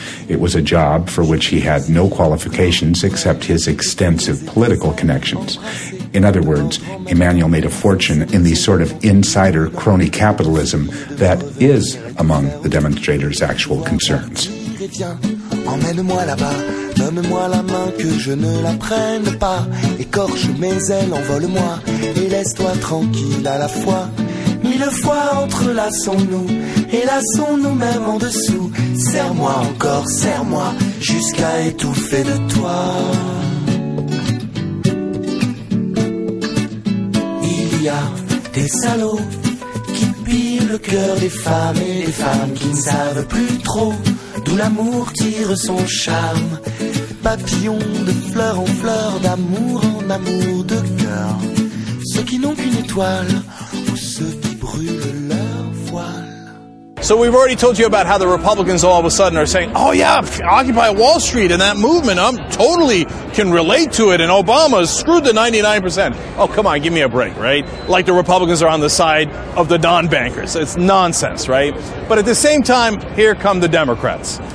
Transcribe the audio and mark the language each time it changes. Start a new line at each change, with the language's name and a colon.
English: It was a job for which he had no qualifications except his extensive political connections. In other words, Emanuel made a fortune in the sort of insider crony capitalism that is among the demonstrators' actual concerns.
French: Emmène-moi là-bas, donne-moi la main que je ne la prenne pas. Écorche mes ailes, envole-moi et laisse-toi tranquille à la fois. Mille fois entrelaçons-nous et lassons-nous même en dessous. Serre-moi encore, serre-moi jusqu'à étouffer de toi. Il y a des salauds qui pillent le cœur des femmes qui ne savent plus trop d'où l'amour tire son charme. Papillon de fleur en fleur, d'amour en amour de cœur. Ceux qui n'ont qu'une étoile ou ceux qui brûlent leur voile.
English: So we've already told you about how the Republicans all of a sudden are saying, oh yeah, Occupy Wall Street and that movement, I'm totally can relate to it, and Obama's screwed the 99%. Oh, come on, give me a break, right? Like the Republicans are on the side of the non-bankers. It's nonsense, right? But at the same time, here come the Democrats.